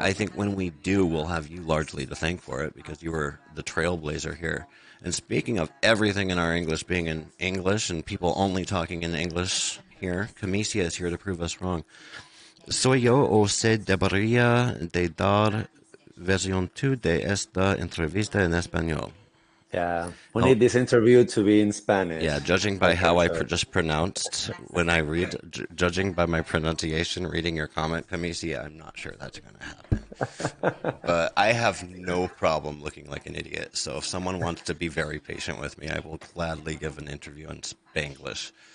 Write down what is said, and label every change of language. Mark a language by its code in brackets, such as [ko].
[en] I think when we do, we'll have you largely to thank for it, because you were the trailblazer here. And speaking of everything in our English being in English and people only talking in English here, Camicia is here to prove us wrong. [es] Soy yo o se debería de dar version 2 de esta entrevista en español. [en] Yeah, we need this interview to be in Spanish. Yeah, judging by how I just pronounced when I read, judging by my pronunciation, reading your comment, Camicia, I'm not sure that's going to happen. But I have no problem looking like an idiot. So if someone wants to be very patient with me, I will gladly give an interview in Spanglish.